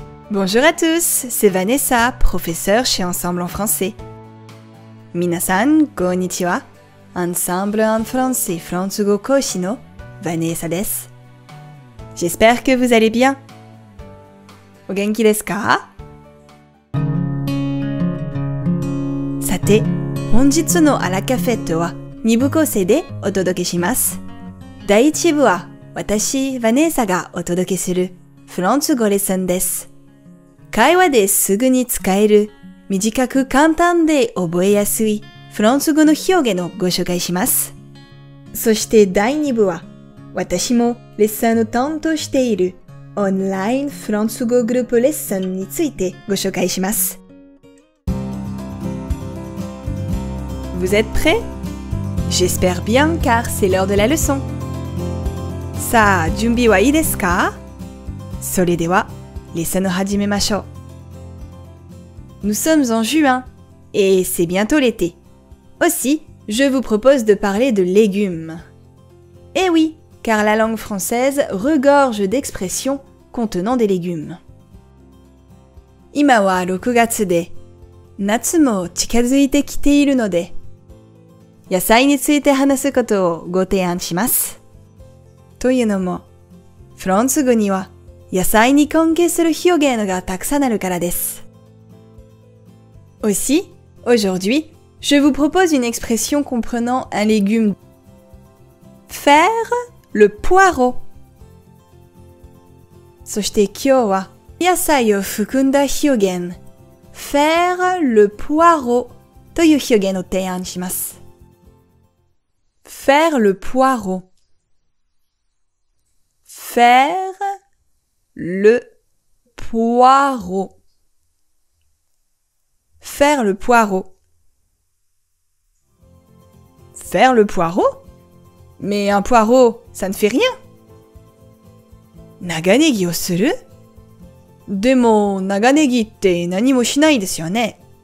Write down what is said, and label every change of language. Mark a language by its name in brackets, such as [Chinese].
[French] Bonjour à tous, c'est Vanessa, professeur chez Ensemble en français. [Japanese] 皆さん、こんにちは。 Ensemble en français, フランス語講師の Vanessa です。 [French] J'espère que vous allez bien. [Japanese] お元気ですか？さて、本日のアラカフェットは二部構成でお届けします。第一部は私、ヴァネーサがお届けするフランス語レッスンです。会話ですぐに使える、短く簡単で覚えやすいフランス語の表現をご紹介します。そして第二部は私もレッスンを担当しているオンラインフランス語グループレッスンについてご紹介します。 [French] Vous êtes prêts? J'espère bien car c'est l'heure de la leçon. [Japanese] さあ、準備はいいですか？それでは、レッスンを始めましょう。 [French] Nous sommes en juin et c'est bientôt l'été. Aussi, je vous propose de parler de légumes. Eh oui, car la langue française regorge d'expressions. Contenant des légumes. [Japanese] 今は6月で、夏も近づいてきているので、野菜について話すことをご提案します。というのも、フランス語には野菜に関係する表現がたくさんあるからです。 [French] Aussi, aujourd'hui, je vous propose une expression comprenant un légume. Faire le poireau. [Japanese] そして今日は野菜を含んだ表現、 [French] faire le poireau [Japanese] という表現を提案します。 [French] faire le poireau。 faire le poireau。 faire le poireau。 faire le poireau? Mais un poireau, ça ne fait rien! [Japanese] 長ネギをする? でも、長ネギって何もしないですよね。